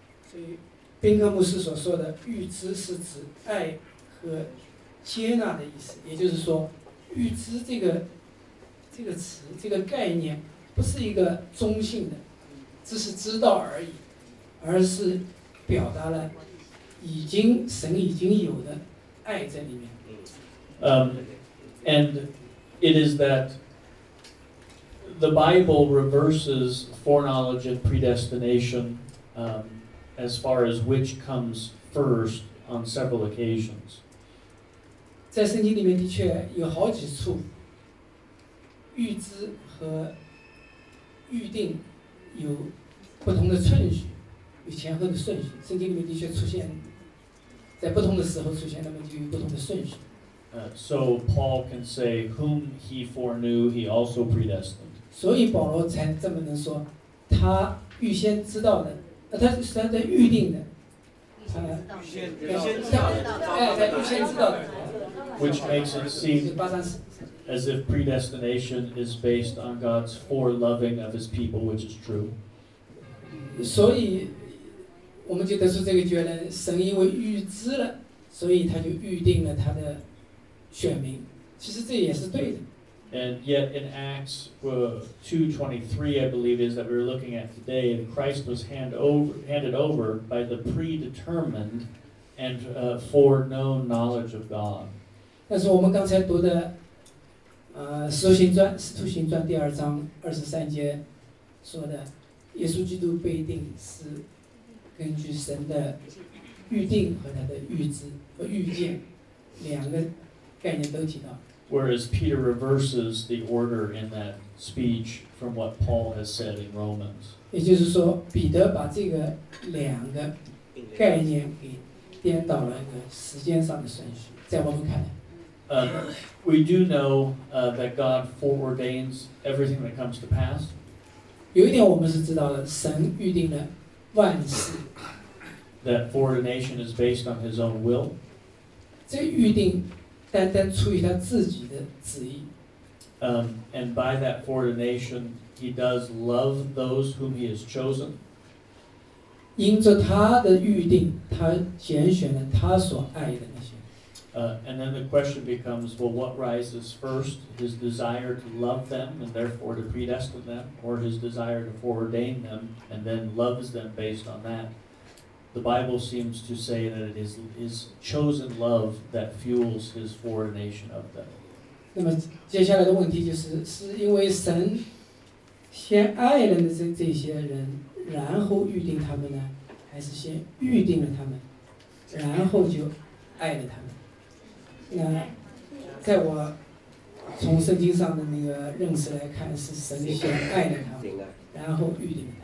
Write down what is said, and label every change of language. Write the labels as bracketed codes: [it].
[zh] 所以宾克牧师所说的预知是指爱和接纳的意思，也就是说预知这个词，这个概念不是一个中性的只是知道而已，而是表达了已经神已经有的爱在里面。 [en] And it is that the Bible reverses foreknowledge and predestination, as far as which comes first on several occasions. [zh] 在圣经里面的确有好几处预知和预定有不同的顺序，有前后的顺序，圣经里面的确出现在不同的时候出现，那么就有不同的顺序。 [en] So Paul can say, whom he foreknew, he also predestined. [zh] 所以保罗才这么能说，他预先知道的，他是算在预定的，预先知道的。 [en] Which makes it seem as if predestination is based on God's foreloving of his people, which is true. [zh] 所以我们就得出这个结论，神因为预知了，所以他就预定了他的选民，其实这也是对的。 [en] And yet in Acts 2:23, I believe is that we were looking at today, and Christ was handed over by the predetermined and foreknown knowledge of God. [zh] 但是我们刚才读的使徒行传第二章二十三节说的，耶稣基督被定是根据神的预定和他的预知和预见两个概念都提到。 [en] Whereas Peter reverses the order in that speech from what Paul has said in Romans. [zh] 也就是说，彼得把这个两个概念给颠倒了一个时间上的顺序，在我们看来。 [en] We do know that God foreordains everything that comes to pass. [zh] 有一点我们是知道的，神预定了万事。 [en] That foreordination is based on His own will. [zh] 这预定单单出于他自己的旨意。 [en] And by that foreordination, He does love those whom He has chosen. [zh] 因着他的预定，他拣选了他所爱的那些。 [en] And then the question becomes, well, what rises first, his desire to love them and therefore to predestine them, or his desire to foreordain them and then loves them based on that? The Bible seems to say that it is his chosen love that fuels his foreordination of them. [zh] 那么接下来的问题就是，是因为神先爱了这些人，然后预定他们呢？还是先预定了他们，然后就爱了他们？那在我从圣经上的那个认识来看，是神先爱了他们，然后预定了。